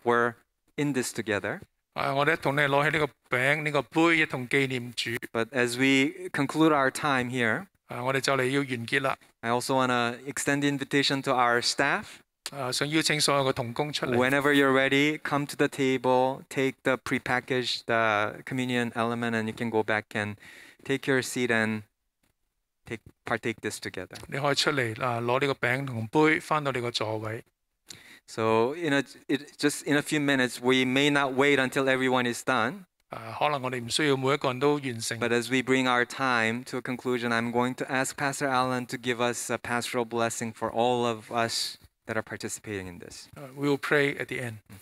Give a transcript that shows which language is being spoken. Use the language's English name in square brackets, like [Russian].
[English] We're in this together. But as we conclude our time here, I also want to extend the invitation to our staff. Whenever you're ready, come to the table, take the prepackaged communion element, and you can go back and take your seat and partake this together. [Chinese] 你可以出来, 拿这个饼和杯, 回到你的座位。 [English] So in a few minutes, we may not wait until everyone is done. [Chinese] 可能我们不需要每一个人都完成, [English] but as we bring our time to a conclusion, I'm going to ask Pastor Alan to give us a pastoral blessing for all of us that are participating in this. We will pray at the end.